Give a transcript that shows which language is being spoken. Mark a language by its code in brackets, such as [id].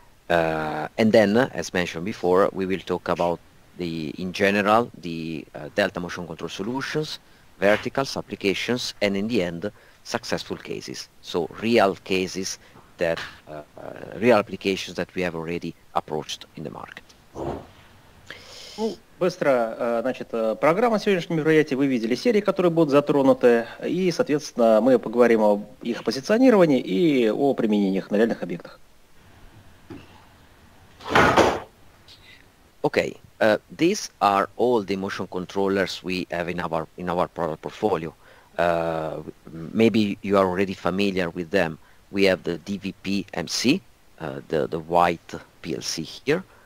[en] And then, as mentioned before, we will talk about in general, the Delta motion control solutions, verticals, applications, and in the end, successful cases. So real cases that, real applications that we have already approached in the market. [ru] Ну, быстро, значит, программа сегодняшнего мероприятия, вы видели серии, которые будут затронуты, и, соответственно, мы поговорим о их позиционировании и о применениях на реальных объектах. [en] Okay. These are all the motion controllers we have in our product portfolio. Maybe you are already familiar with them. We have the DVP-MC, the white PLC here.